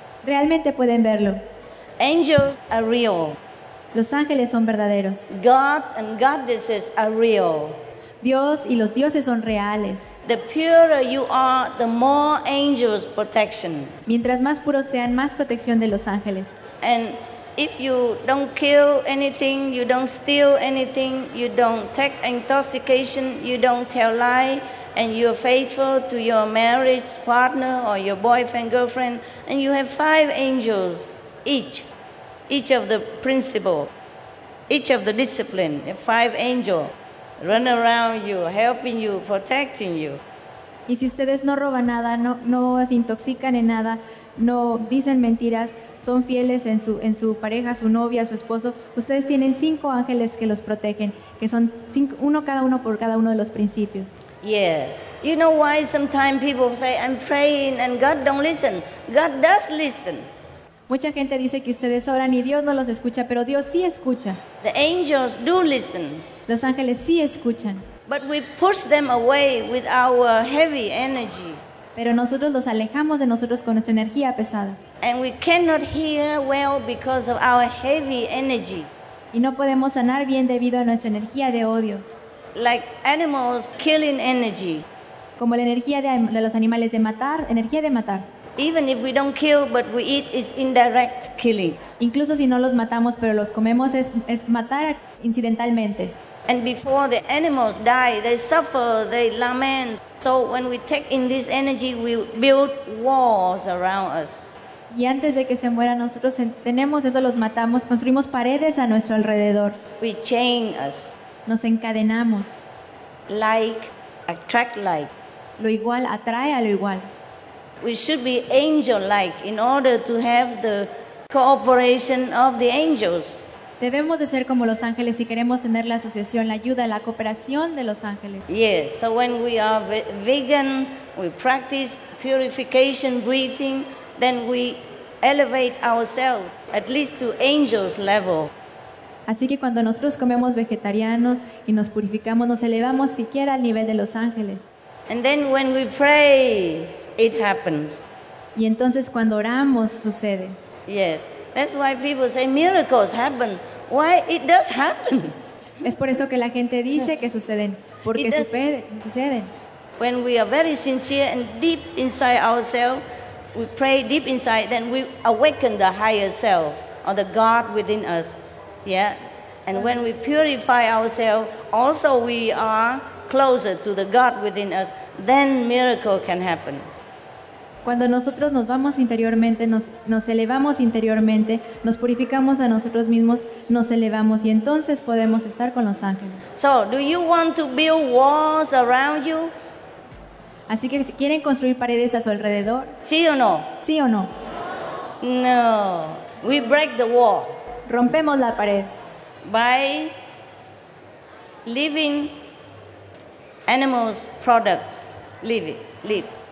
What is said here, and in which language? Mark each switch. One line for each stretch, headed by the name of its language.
Spanish: Realmente pueden verlo.
English: Angels are real.
Spanish: Los ángeles son verdaderos.
English: Gods and goddesses are real.
Spanish: Dios y los dioses son reales.
English: The purer you are, the more angels protection.
Spanish: Mientras más puros sean, más protección de los ángeles.
English: And if you don't kill anything, you don't steal anything, you don't take intoxication, you don't tell lie, and you're faithful to your marriage partner or your boyfriend, girlfriend, and you have 5 angels each of the principle, each of the discipline, 5 angels. Run around you, helping you, protecting you.
Spanish: Y si ustedes no roban nada, no se intoxican en nada, no dicen mentiras, son fieles en su pareja, su novia, su esposo, ustedes tienen 5 ángeles que los protegen, que son 5, uno cada uno por cada uno de los principios.
English: Yeah. You know why sometimes people say, I'm praying and God don't listen. God does listen.
Spanish: Mucha gente dice que ustedes oran y Dios no los escucha, pero Dios sí escucha.
English: The angels do listen.
Spanish: Los ángeles sí escuchan.
English: But we push them away with our heavy energy.
Spanish: Pero nosotros los alejamos de nosotros con nuestra energía pesada.
English: And we cannot hear well because of our heavy energy.
Spanish: Y no podemos sanar bien debido a nuestra energía de odio.
English: Like animals killing energy.
Spanish: Como la energía de los animales de matar, energía de matar.
English: Even if we don't kill, but we eat, it's indirect killing.
Spanish: Incluso si no los matamos, pero los comemos, es matar incidentalmente.
English: And before the animals die, they suffer, they lament. So when we take in this energy, we build walls around us.
Spanish: Y antes de que se mueran, nosotros tenemos eso, los matamos, construimos paredes a nuestro alrededor.
English: We chain us.
Spanish: Nos encadenamos.
English: Like attract like.
Spanish: Lo igual atrae a lo igual.
English: We should be angel-like in order to have the cooperation of the angels.
Spanish: Debemos de ser como los ángeles si queremos tener la asociación, la ayuda, la cooperación de los ángeles.
English: Yes, so when we are vegan, we practice purification breathing, then we elevate ourselves at least to angels level.
Spanish: Así que cuando nosotros comemos vegetariano y nos purificamos, nos elevamos siquiera al nivel de los ángeles.
English: And then when we pray, it happens.
Spanish: Y entonces cuando oramos, sucede.
English: Yes. That's why people say miracles happen. Why? It does happen.
Spanish: Es por eso que la gente dice que suceden. Porque suceden.
English: When we are very sincere and deep inside ourselves, we pray deep inside, then we awaken the higher self or the God within us. Yeah? And when we purify ourselves, also we are closer to the God within us. Then miracle can happen.
Spanish: Cuando nosotros nos vamos interiormente, nos elevamos interiormente, nos purificamos a nosotros mismos, nos elevamos y entonces podemos estar con los ángeles.
English: So, do you want to build walls around you?
Spanish: Así que, ¿quieren construir paredes a su alrededor? ¿Sí o no? ¿Sí o no?
English: No. We break the wall.
Spanish: Rompemos la pared.
English: By living animals products. Leave it. Leave.